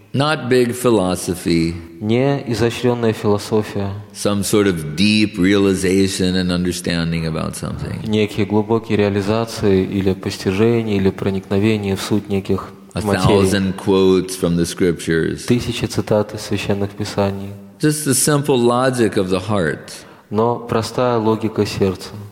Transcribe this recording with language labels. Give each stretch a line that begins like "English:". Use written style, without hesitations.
English: Not big philosophy.
Russian: Не изощренная философия.
English: Some sort of deep realization and understanding about something.
Russian: Некие глубокие реализации или постижение или проникновение в суть неких материй.
English: A thousand quotes from the scriptures.
Russian: Тысячи цитат из священных писаний.
English: Just the simple logic of the heart.
Russian: Но простая логика сердца.